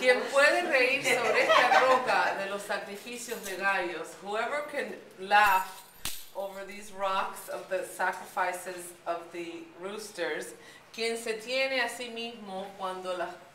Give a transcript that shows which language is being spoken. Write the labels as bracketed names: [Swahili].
[Spanish] Quien puede reír sobre esta roca de los sacrificios de gallos? [English] Whoever can laugh over these rocks of the sacrifices of the roosters. [Spanish] Quien se tiene a sí mismo cuando las.